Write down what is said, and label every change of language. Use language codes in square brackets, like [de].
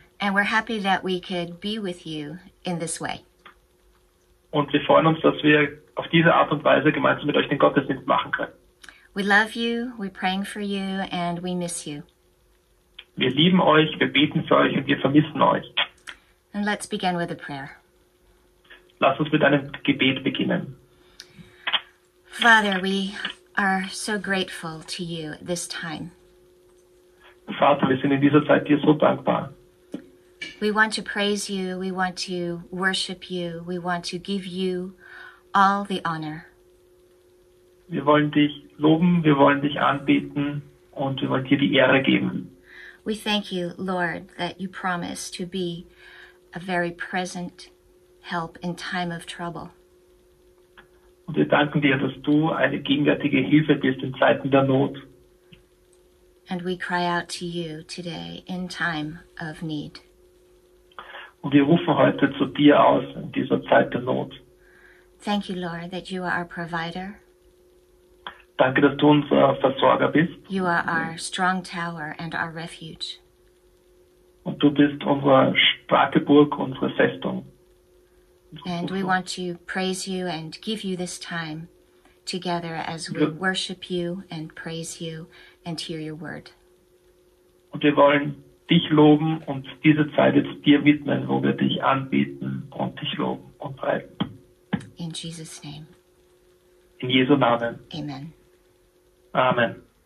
[en] And we're happy that we could be with you in this way. [de] Und wir freuen uns, dass wir auf diese Art und Weise gemeinsam mit euch den Gottesdienst machen können. [en] We love you, we're praying for you, and we miss you. [de] Wir lieben euch, wir beten für euch und wir vermissen euch. [en] And let's begin with a prayer. [de] Lass uns mit einem Gebet beginnen. [en] Father, we are so grateful to you this time. [de] Vater, wir sind in dieser Zeit dir so dankbar. [en] We want to praise you, we want to worship you, we want to give you all the honor. [de] Wir wollen dich loben, wir wollen dich anbeten und wir wollen dir die Ehre geben. [en] We thank you, Lord, that you promise to be a very present help in time of trouble. [de] Und wir danken dir, dass du eine gegenwärtige Hilfe bist in Zeiten der Not. [en] And we cry out to you today in time of need. [de] Und wir rufen heute zu dir aus in dieser Zeit der Not. [en] Thank you, Lord, that you are our provider. [de] Danke, dass du unser Versorger bist. [en] You are our strong tower and our refuge. [de] Und du bist unsere starke Burg, unsere Festung. [en] And we want to praise you and give you this time together as we worship you and praise you and hear your word. [de] Und wir wollen dich loben und diese Zeit jetzt dir widmen, wo wir dich anbieten und dich loben und preisen. [en] In Jesus' name. [de] In Jesu Namen. [en] Amen. [de] Amen.